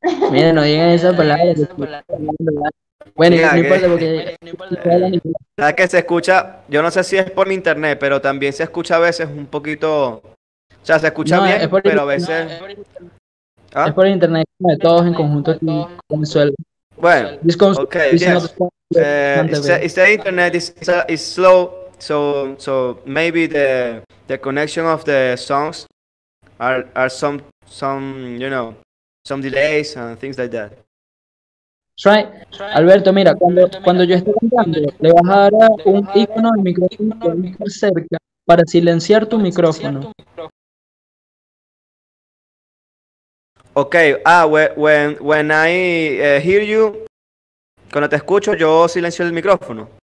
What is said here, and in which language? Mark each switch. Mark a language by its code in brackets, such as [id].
[es] Mira, no digan esa palabra. Bueno, mira, no importa porque... ¿Sabes que se escucha? Yo no sé si es por mi internet, pero también se escucha a veces un poquito... O sea, se escucha no, bien, es pero a veces... No, es por internet, ¿ah? Es por internet, todos en conjunto aquí con el suelo. Bueno, okay, yes. [en] The internet is slow, so maybe the connection of the songs are some, you know, some delays and things like that. Try. [es] Alberto, mira, cuando yo esté cantando, le vas a dar un icono al micrófono cerca para silenciar tu micrófono. Okay. [en] When I hear you, [es] cuando te escucho, yo silencio el micrófono.